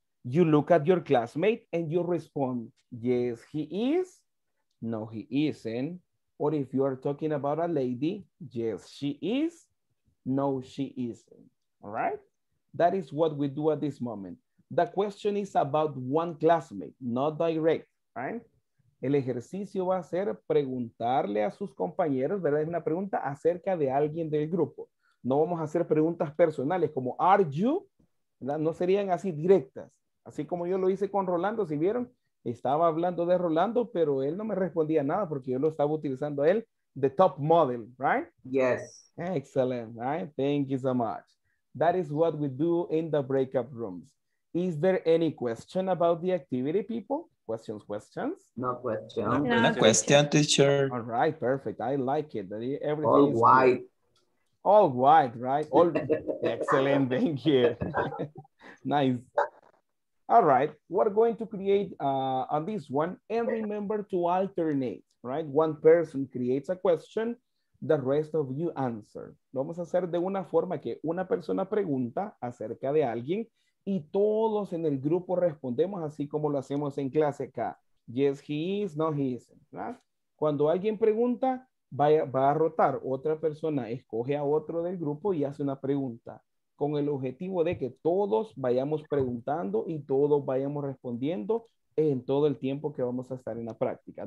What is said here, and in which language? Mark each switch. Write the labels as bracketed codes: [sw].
[en] You look at your classmate and you respond, yes, he is, no, he isn't. Or if you are talking about a lady, yes, she is, no, she isn't, all right? That is what we do at this moment. The question is about one classmate, not direct, right? [es] El ejercicio va a ser preguntarle a sus compañeros, ¿verdad? Es una pregunta acerca de alguien del grupo. No vamos a hacer preguntas personales como, [en] are you? [es] ¿Verdad? No serían así directas. Así como yo lo hice con Rolando, si vieron, estaba hablando de Rolando, pero él no me respondía nada porque yo lo estaba utilizando a él, [en] the top model, right? Yes. Excellent, right? Thank you so much. That is what we do in the breakout rooms. Is there any question about the activity, people? Questions? No question. No question, teacher. All right, perfect. I like it. Everything all white. Good. All white, right? All excellent, thank you. Nice. All right, we're going to create on this one and remember to alternate, right? One person creates a question, the rest of you answer. [es] Vamos a hacer de una forma que una persona pregunta acerca de alguien y todos en el grupo respondemos así como lo hacemos en clase acá. [en] Yes, he is, no, he isn't, [es] ¿verdad? Cuando alguien pregunta, va a rotar. Otra persona escoge a otro del grupo y hace una pregunta, con el objetivo de que todos vayamos preguntando y todos vayamos respondiendo en todo el tiempo que vamos a estar en la práctica.